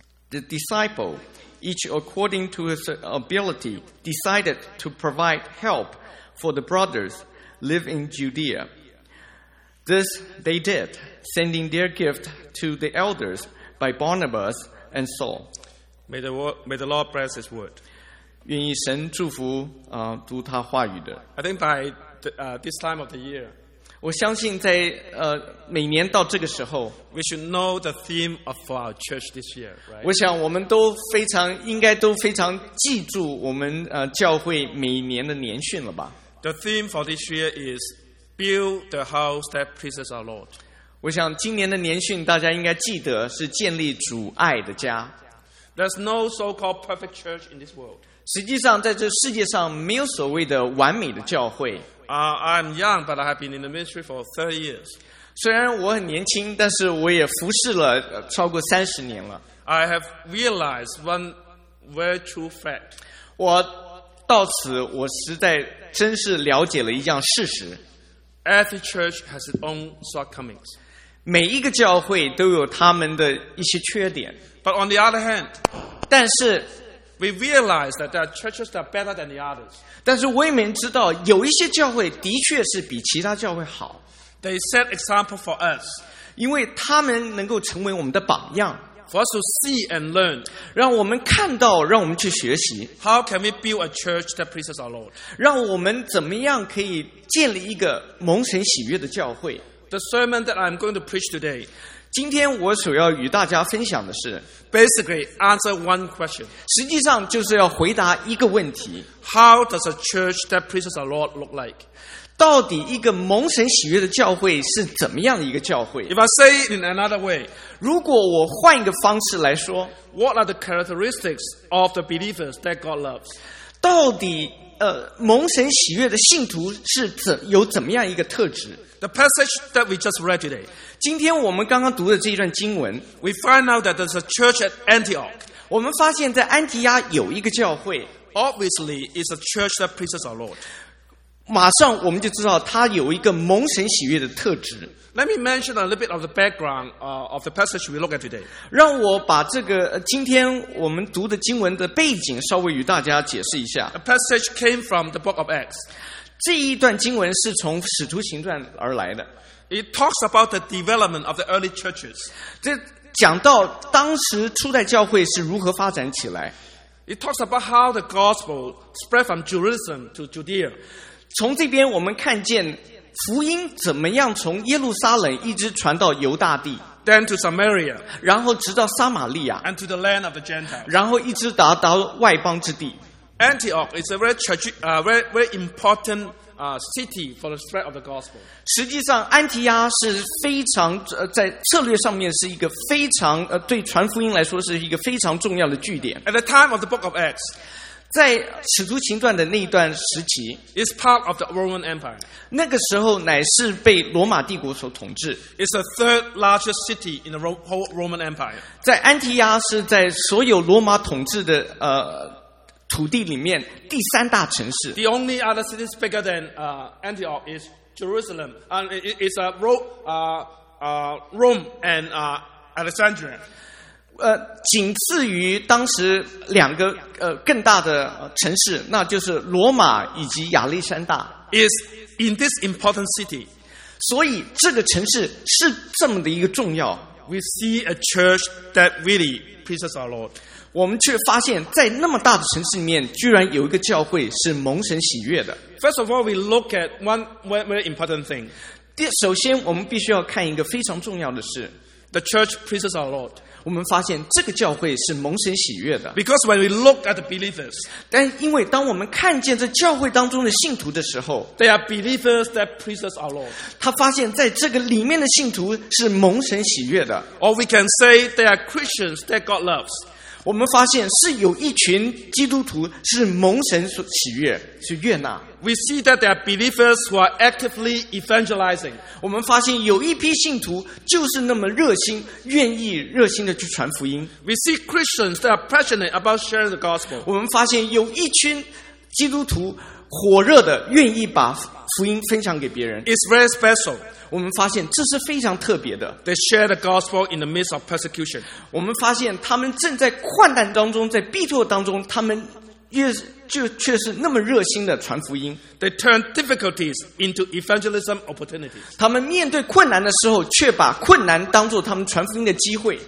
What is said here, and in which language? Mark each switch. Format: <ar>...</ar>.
<en>The disciple, each according to his ability, decided to provide help for the brothers living in Judea. This they did, sending their gift to the elders by Barnabas and Saul. May the Lord bless his word.</en> <zh>愿意神祝福读他话语的。</zh> <en>I think by this time of the year,</en> <zh>我相信在每年到这个时候</zh> <en>we should know the theme of our church this year, right?</en> <zh>我想我们都非常应该都非常记住我们教会每年的年训了吧。</zh> <en>The theme for this year is build the house that pleases our Lord.</en> <zh>我想今年的年训大家应该记得是建立主爱的家。</zh> <en>There's no so-called perfect church in this world.</en> <zh>实际上在这世界上没有所谓的完美的教会。</zh> <en>I'm young, but I have been in the ministry for 30 years.</en> <zh>虽然我很年轻，但是我也服侍了超过三十年了。</zh> <en>I have realized one very true fact.</en> <zh>我到此，我实在真是了解了一样事实。</zh> <en>Every church has its own shortcomings.</en> <zh>每一个教会都有他们的一些缺点。</zh> <en>But on the other hand,</en> <zh>但是</zh> <en>we realize that there are churches that are better than the others.</en> <zh>但是我也明知道有一些教会的确是比其他教会好。</zh> <en>They set example for us.</en> <zh>因为他们能够成为我们的榜样。</zh> <en>For us to see and learn,</en> <zh>让我们看到，让我们去学习。</zh> <en>How can we build a church that pleases our Lord?</en> <zh>让我们怎么样可以建立一个蒙神喜悦的教会</zh> <en>？The sermon that I'm going to preach today,</en> <zh>今天我所要与大家分享的是</zh> <en>，basically answer one question.</en> <zh>实际上就是要回答一个问题</zh> <en>：How does a church that pleases our Lord look like?</en> <zh>到底一个蒙神喜悦的教会是怎么样的一个教会</zh> <en>？If I say it in another way.</en> <zh>如果我换一个方式来说</zh> <en>，What are the characteristics of the believers that God loves?</en> <zh>到底蒙神喜悦的信徒是有怎么样一个特质</zh> <en>？The passage that we just read today.</en> <zh>今天我们刚刚读的这一段经文</zh> <en>，We find out that there's a church at Antioch.</en> <zh>我们发现在安提亚有一个教会</zh> <en>，Obviously, it's a church that pleases our Lord.</en> <zh>马上我们就知道他有一个蒙神喜悦的特质。</zh> <en>Let me mention a little bit of the background of the passage we look at today.</en> <zh>让我把这个今天我们读的经文的背景稍微与大家解释一下。</zh> <en>The passage came from the book of Acts.</en> <zh>这一段经文是从使徒行传而来的。</zh> <en>It talks about the development of the early churches.</en> <zh>这讲到当时初代教会是如何发展起来。</zh> <en>It talks about how the gospel spread from Jerusalem to Judea.</en> <zh>从这边我们看见福音怎么样从耶路撒冷一直传到犹大地。</zh> <en>Then to Samaria,</en> <zh>然后直到撒玛利亚</zh> <en>and to the land of the Gentiles,</en> <zh>然后一直达到外邦之地。</zh> <en>Antioch is a very church, very important city for the spread of the gospel.</en> <zh>实际上，安提阿是非常在策略上面是一个非常对传福音来说是一个非常重要的据点。</zh> <en>At the time of the Book of Acts,</en> <zh>在使徒行传的那一段时期</zh> <en>is part of the Roman Empire.</en> <zh>那个时候乃是被罗马帝国所统治。</zh> <en>It's the third largest city in the whole Roman Empire.</en> <zh>在安提阿是在所有罗马统治的土地里面第三大城市。</zh> <en>The only other city bigger than Antioch is Jerusalem, and it's a Rome and Alexandria.</en> <zh>仅次于当时两个更大的城市，那就是罗马以及亚历山大。</zh> <en>Is in this important city,</en> <zh>所以这个城市是这么的一个重要。</zh> <en>We see a church that really pleases our Lord.</en> <zh>我们却发现在那么大的城市里面居然有一个教会是蒙神喜悦的。</zh> <en>First of all, we look at one very important thing.</en> <zh>首先我们必须要看一个非常重要的事。</zh> <en>The church pleases our Lord.</en> <zh>我们发现这个教会是蒙神喜悦的。</zh> <en>Because when we look at the believers,</en> <zh>但因为当我们看见这教会当中的信徒的时候</zh> <en>they are believers that pleases our Lord.</en> <zh>他发现在这个里面的信徒是蒙神喜悦的。</zh> <en>Or we can say they are Christians that God loves.</en> <zh>我们发现是有一群基督徒是蒙神所喜悦，是悦纳。</zh> <en>We see that there are believers who are actively evangelizing.</en> <zh>我们发现有一批信徒就是那么热心，愿意热心的去传福音。</zh> <en>We see Christians that are passionate about sharing the gospel.</en> <zh>我们发现有一群基督徒火热的愿意把福音分享给别人。</zh> <en>It's very special.</en> <zh>我们发现这是非常特别的。</zh> <en>They share the gospel in the midst of persecution.</en> <zh>我们发现他们正在患难当中，在逼迫当中，他们却是那么热心的传福音。</zh> <en>They turn difficulties into evangelism opportunities.</en> <zh>他们面对困难的时候，却把困难当作他们传福音的机会。</zh>